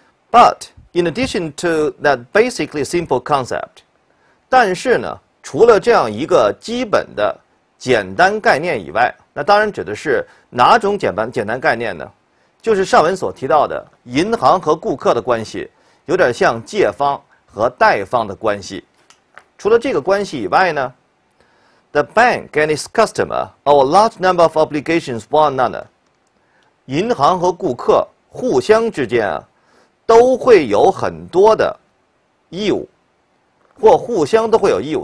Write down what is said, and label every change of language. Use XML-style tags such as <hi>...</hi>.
<en>But in addition to that basically simple concept，</en> <zh>但是呢，除了这样一个基本的简单概念以外，那当然指的是哪种简单概念呢？就是上文所提到的银行和顾客的关系，有点像借方和贷方的关系。除了这个关系以外呢？</zh> <en>The bank and its customer owe a large number of obligations to one another.</en> <zh>银行和顾客互相之间啊，都会有很多的义务，或互相都会有义务。</zh>